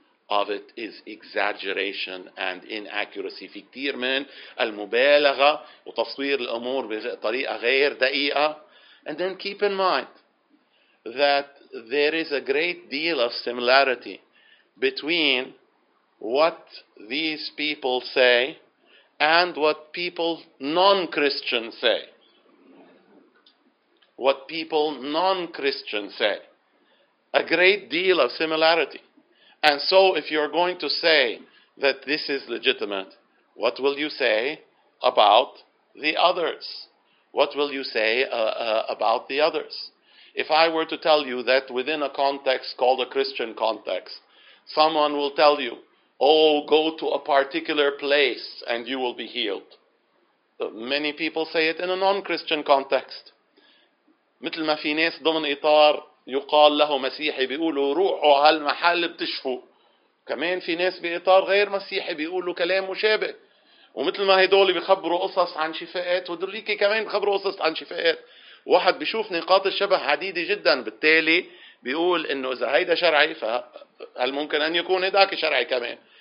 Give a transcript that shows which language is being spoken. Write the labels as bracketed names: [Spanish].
[English] of it is exaggeration and inaccuracy. [Arabic] في كتير من المبالغة وتصوير الأمور بطريقة غير دقيقة. [English] And then keep in mind that there is a great deal of similarity between what these people say and what people non-Christians say. What people non-Christians say. A great deal of similarity. And so if you're going to say that this is legitimate, what will you say about the others? What will you say about the others? If I were to tell you that within a context called a Christian context, someone will tell you, oh, go to a particular place and you will be healed. Many people say it in a non-Christian context. [Arabic] مثل ما في ناس ضمن إطار يقال له مسيحي بيقولوا روحوا هالمحل بتشفوا. كمان في ناس بإطار غير مسيحي بيقولوا كلام مشابه. ومثل ما هدول بيخبروا قصص عن شفاءات ودوليكي كمان بيخبروا قصص عن شفاءات. واحد بيشوف نقاط الشبه عديدة جدا، بالتالي بيقول انه اذا هيدا شرعي فهل ممكن ان يكون هداك شرعي كمان.